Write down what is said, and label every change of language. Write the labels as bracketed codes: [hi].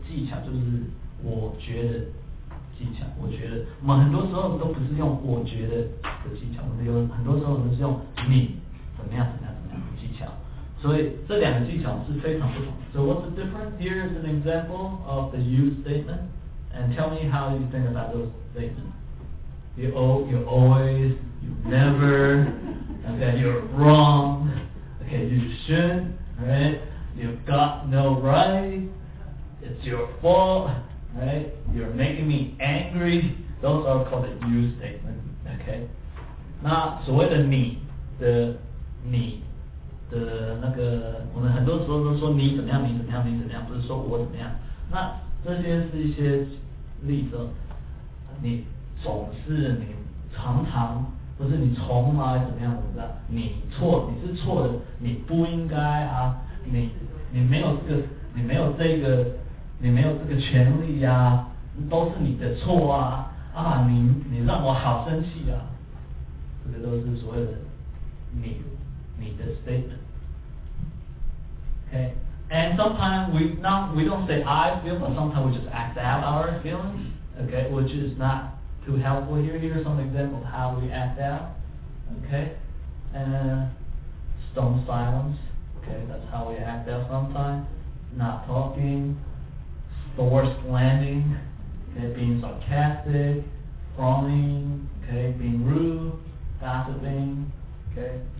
[zh] 那其中的最简单的表达方式，一个技巧就是我觉得技巧。我觉得，我们很多时候都不是用我觉得的技巧，我们有很多时候都是用你。怎么样怎么样怎么样的技巧，所以这两个技巧是非常不同的。 [en] So what's the difference? Here is an example of the you statement, and tell me how you think about those statements. You always, you never, okay, you're wrong, okay, you should, right? You've got no right, it's your fault, right? You're making me angry. Those are called the you statement, okay? [zh] 那所谓的你的 你的那个，我们很多时候都说你怎么样，你怎么样，你怎么样，不是说我怎么样。那这件事一些例子，你总是，你常常，不是你从来怎么样，怎么样，你错，你是错的，你不应该啊，你没有这个，你没有这个权利啊，都是你的错啊，啊，你让我好生气啊，这个都是所谓的你。你的 [en] statement, okay, and sometimes we don't say I feel, but sometimes we just act out our feelings, okay, which is not too helpful. Here are some examples of how we act out, okay, and stone silence, okay, that's how we act out sometimes, not talking, store slanting, okay, being sarcastic, frowning, okay, being rude, gossiping, okay.